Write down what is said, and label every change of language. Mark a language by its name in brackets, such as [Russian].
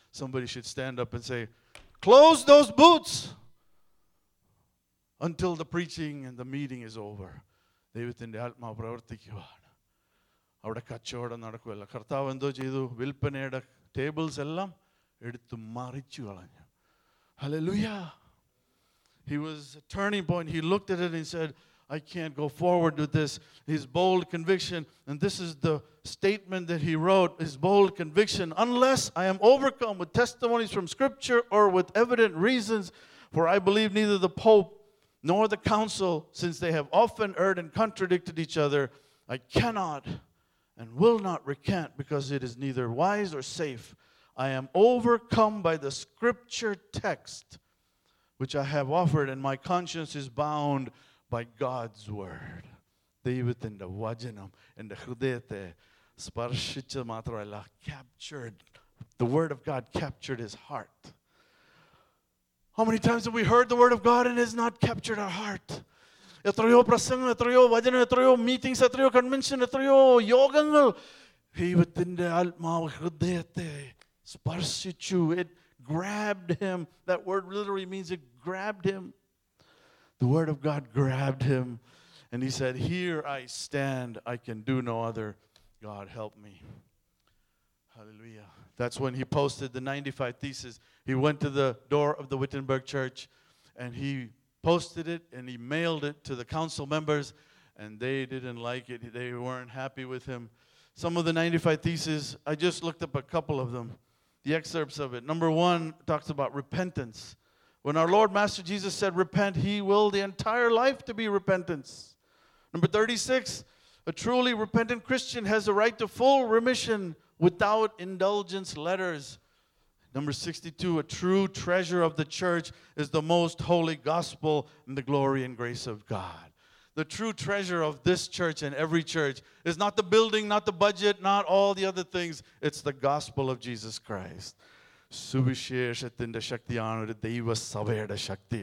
[English] Somebody should stand up and say, close those booths until the preaching and the meeting is over. [Malayalam] ദൈവത്തിന്റെ ആത്മാവ് പ്രവർത്തിക്കുവാണ്. അവിടെ കച്ചവടം നടക്കുകയല്ല. കർത്താവ് എന്തോ ചെയ്തു, വിൽപ്പനയുടെ ടേബിൾസ് എല്ലാം എടുത്തു മറിച്ചു കളഞ്ഞു. [English] Hallelujah. He was a turning point. He looked at it and said, I can't go forward with this. His bold conviction, and this is the statement that he wrote, his bold conviction, unless I am overcome with testimonies from scripture or with evident reasons, for I believe neither the Pope nor the council, since they have often erred and contradicted each other, I cannot and will not recant, because it is neither wise or safe. I am overcome by the scripture text which I have offered, and my conscience is bound by God's word. [Malayalam] ദൈവത്തിന്റെ വചനം എന്റെ ഹൃദയത്തെ സ്പർശിച്ചു മാത്രമല്ല, [English] captured the word of God, captured his heart. How many times have we heard the word of God and it has not captured our heart? [Malayalam] എത്രയോ പ്രസംഗം, എത്രയോ വചനം, എത്രയോ മീറ്റിംഗ്സ്, എത്രയോ കൺവെൻഷൻ, എത്രയോ യോഗങ്ങൾ, ദൈവത്തിന്റെ ആത്മാവ് ഹൃദയത്തെ സ്പർശിച്ചു. [English] It grabbed him. That word literally means it grabbed him. The word of God grabbed him and he said, here I stand, I can do no other. God help me. Hallelujah. That's when he posted the 95 theses. He went to the door of the Wittenberg church and he posted it and he mailed it to the council members, and they didn't like it. They weren't happy with him. Some of the 95 theses, I just looked up a couple of them, the excerpts of it. Number one talks about repentance. When our Lord Master Jesus said repent, he willed the entire life to be repentance. Number 36, a truly repentant Christian has a right to full remission without indulgence letters. Number 62, a true treasure of the church is the most holy gospel and the glory and grace of God. The true treasure of this church and every church is not the building, not the budget, not all the other things. It's the gospel of Jesus Christ. [Malayalam] സുവിശേഷത്തിന്റെ ശക്തിയാണ് ഒരു ദൈവസഭയുടെ ശക്തി.